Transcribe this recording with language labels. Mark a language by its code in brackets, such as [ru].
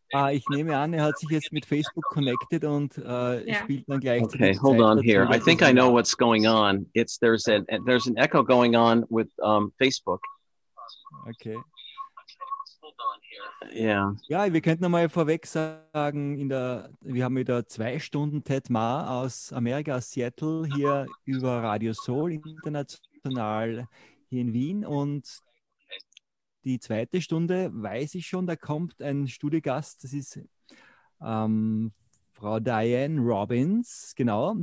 [de] Ich nehme an, er hat sich jetzt mit Facebook connected und spielt dann gleich. [en] Okay, hold on here. I think I know what's going on. It's there's an echo going on with Facebook. Okay. Yeah. [de] Ja, wir könnten mal vorweg sagen, wir haben wieder 2 Stunden Tetmar aus Amerika, aus Seattle, hier über Radio Soul International hier in Wien. Und die 2. Stunde weiß ich schon, da kommt ein Studiogast, das ist Frau Diane Robbins, genau.